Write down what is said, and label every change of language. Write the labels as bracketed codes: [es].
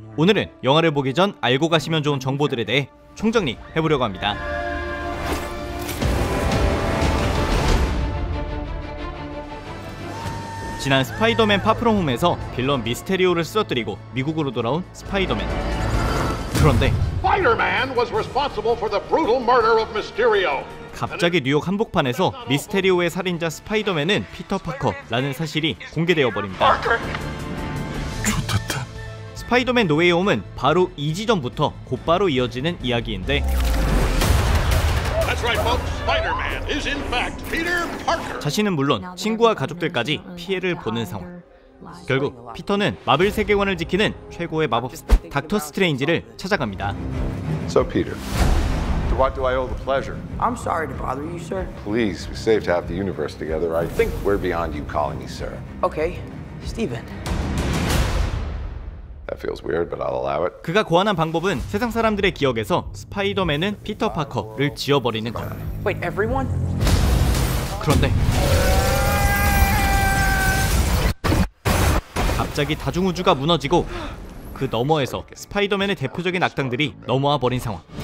[ko] 오늘은 영화를 보기 전 알고 가시면 좋은 정보들에 대해 총정리 해보려고 합니다. 지난 스파이더맨 파프롬 홈에서 빌런 미스테리오를 쓰러뜨리고 미국으로 돌아온 스파이더맨. 그런데 [en] Spider-Man was responsible for the brutal murder of Mysterio. [ko] 갑자기 뉴욕 한복판에서 미스테리오의 살인자 스파이더맨은 피터 파커라는 사실이 공개되어 버립니다. 좋았다. 스파이더맨 노웨이 홈은 바로 이 지점부터 곧바로 이어지는 이야기인데. [en] That's right, folks. Spider-Man is in fact Peter Parker. [ko] 자신은 물론 친구와 가족들까지 피해를 보는 상황. 결국 피터는 마블 세계관을 지키는 최고의 마법사 닥터 스트레인지를 찾아갑니다. [en] So Peter, to what do I owe the pleasure? I'm sorry to bother you, sir. Please, we saved half the universe together. I think we're beyond you calling me sir. Okay, Steven. That feels weird, but I'll allow it. [ko] 그가 고안한 방법은 세상 사람들의 기억에서 스파이더맨은 피터 파커를 지워버리는 것. [en] Wait, everyone? [ko] 그런데 갑자기 다중우주가 무너지고 그 너머에서 스파이더맨의 대표적인 악당들이 넘어와 버린 상황.